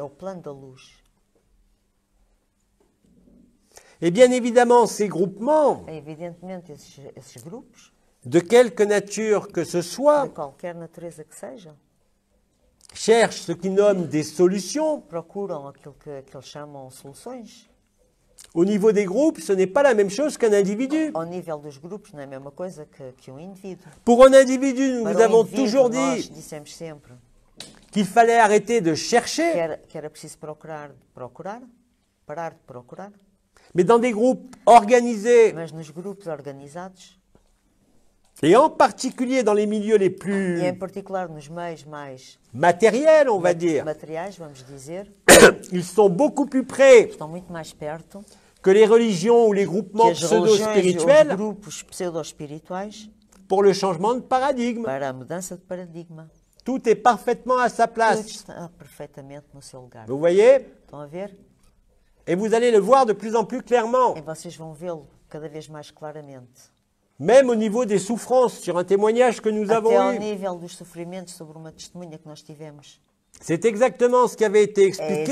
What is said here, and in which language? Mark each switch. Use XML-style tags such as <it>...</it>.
<pt>É o plano da luz.</pt> <fr>Et bien évidemment, ces groupements,</fr> <pt>esses grupos,</pt> <fr>de quelque nature que ce soit,</fr> <pt>de qualquer natureza que seja,</pt> <fr>cherchent ce qu'ils nomment des solutions.</fr> <pt>Procuram aquilo que eles chamam soluções.</pt> <fr>Au niveau des groupes, ce n'est pas la même chose qu'un individu.</fr> <pt>Ao nível dos grupos, não é a mesma coisa que um indivíduo.</pt> <fr>Pour un individu, nous</fr> <pt>Para</pt> <fr>vous avons toujours dit qu'il fallait arrêter de chercher.</fr> <pt>Que era preciso procurar, parar de procurar.</pt> <fr>Mais dans des groupes organisés.</fr> <pt>Mas nos grupos organizados.</pt> <fr>Et en particulier dans les milieux les plus.</fr> <pt>E em particular nos meios mais.</pt> <fr>Matériels, on va dire.</fr> <pt>Materiais, vamos dizer.</pt> <fr>Ils sont beaucoup plus près.</fr> <pt>Estão muito mais perto.</pt> <fr>Que les religions ou les groupements pseudo-spirituels.</fr> <pt>Os grupos pseudo-espirituais.</pt> <fr>Pour le changement de paradigme.</fr> <pt>Para a mudança de paradigma.</pt> <fr>Tout est parfaitement à sa place.</fr> <pt>Tudo está perfeitamente no seu lugar.</pt> <fr>Vous voyez?</fr> <pt>Estão a ver?</pt> <fr>Et vous allez le voir de plus en plus clairement.</fr> <pt>Et vocês vão vê-lo cada vez mais claramente.</pt> <fr>Même au niveau des souffrances, sur un témoignage que nous</fr> <pt>Até</pt> <fr>avons eu.</fr> <pt>Até ao nível dos sofrimentos sobre uma testemunha que nós tivemos.</pt> <fr>C'est exactement ce qui avait été expliqué.</fr>